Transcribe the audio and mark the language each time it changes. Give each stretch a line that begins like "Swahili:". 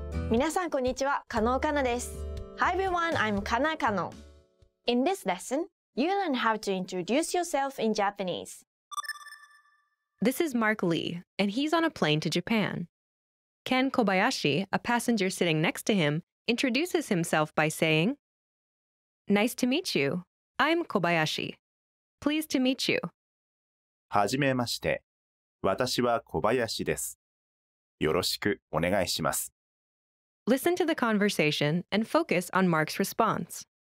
Japanese: 皆さんこんにちは、カノーカナです。
English: Hi everyone, I'm Kana Kano. In this lesson, you learn how to introduce yourself in Japanese. This is Mark Lee, and he's on a plane to Japan. Ken Kobayashi, a passenger sitting next to him, introduces himself by saying, Nice to meet you. I'm Kobayashi. Pleased to meet you.
Japanese: はじめまして。私は小林です。よろしくお願いします。
English: Listen to the conversation and focus on Mark's response.